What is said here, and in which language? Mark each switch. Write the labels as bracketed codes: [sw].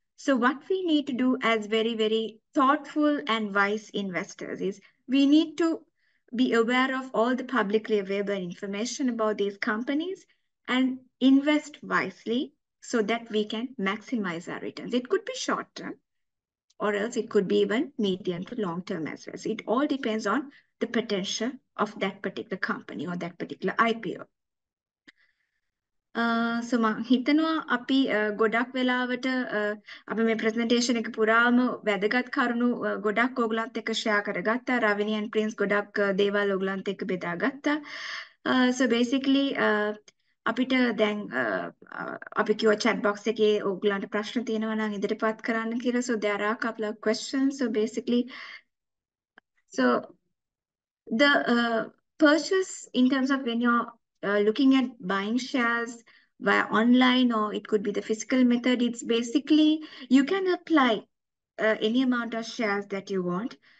[en] So what we need to do as very, very thoughtful and wise investors is we need to be aware of all the publicly available information about these companies and invest wisely so that we can maximize our returns. It could be short term, or else it could be even medium to long term as well. So it all depends on the potential of that particular company or that particular IPO. [si] So මං හිතනවා අපි ගොඩක් වෙලාවට අපි මේ presentation එක පුරාම වැදගත් කරුණු ගොඩක් ඔයගලන්ට එක ෂෙයා කරගත්තා. රවිනි ඇන් ප්‍රින්ස් ගොඩක් දේවල් ඔයගලන්ට එක බෙදාගත්තා. [en] So basically [si] අපිට දැන් අපි කිව්ව chat box එකේ ඔයගලන්ට ප්‍රශ්න තියෙනවා නම් ඉදිරිපත් කරන්න කියලා. [en] So there are a couple of questions. So basically, so the purchase in terms of when you're looking at buying shares via online or it could be the physical method, it's basically you can apply any amount of shares that you want.